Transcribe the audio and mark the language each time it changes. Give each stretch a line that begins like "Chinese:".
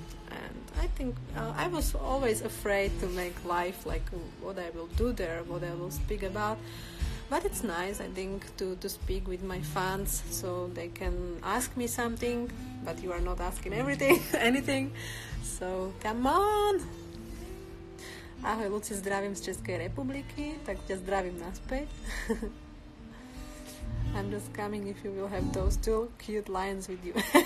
English: And I think I was always afraid to make live, like what I will do there, what I will speak about. But it's nice, I think, to speak with my fans so they can ask me something, but you are not asking everything, anything. So, come on!
Slovak: Ahoj, Luci, zdravím z Českej republiky, tak ťa zdravím naspäť.
English: I'm just coming if you will have those two cute lions with you.